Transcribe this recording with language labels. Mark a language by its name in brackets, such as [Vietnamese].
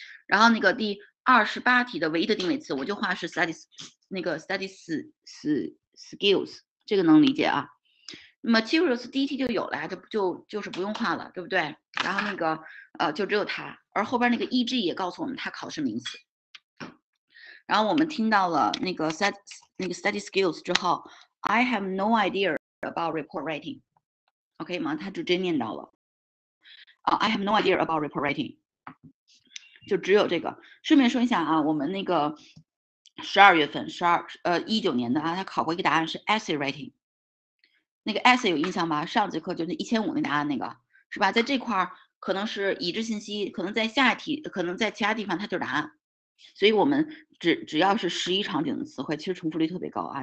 [Chinese] 然后那个第28题的唯一的定位词，我就画是 studies 那个 studies skills， 这个能理解啊。那么 materials 第一题就有了，就是不用画了，对不对？然后那个就只有它，而后边那个 eg 也告诉我们它考试名词。然后我们听到了那个 study skills 之后 ， [English] I have no idea about report writing， [Chinese] OK 吗？他就直接念到了， [English] I have no idea about report writing。 [Chinese] 就只有这个。顺便说一下啊，我们那个12月份19年的啊，他考过一个答案是 essay writing， 那个 essay 有印象吗？上节课就是1500那答案那个，是吧？在这块可能是已知信息，可能在下一题，可能在其他地方它就是答案，所以我们只要是11场景的词汇，其实重复率特别高啊。